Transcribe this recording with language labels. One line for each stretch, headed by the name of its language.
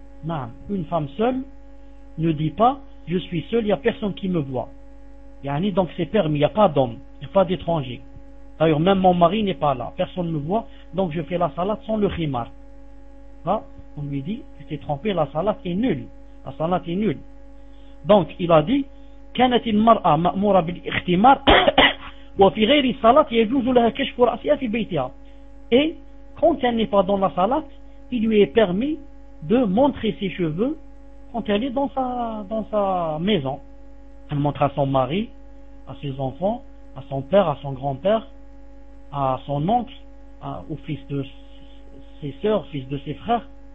French: Non, une femme seule ne dit pas, je suis seule, il n'y a personne qui me voit. Yani, donc c'est permis, il n'y a pas d'homme, il n'y a pas d'étranger. D'ailleurs, même mon mari n'est pas là, personne ne me voit, donc je fais la salade sans le khimar. Va? On lui dit, tu t'es trompé, la salat est nulle. La salat est nulle. Donc, il a dit,
Arabic: كانت المرأة مأمورة بالاختمار وفي غير الصلاة يجوز لها كشف رأسها في بيتها.
French: Et quand elle n'est pas dans la salat, il lui est permis de montrer ses cheveux quand elle est dans sa maison. Elle montre à son mari, à ses enfants, à son père, à son grand-père, à son oncle, au fils de ses sœurs, fils de ses frères.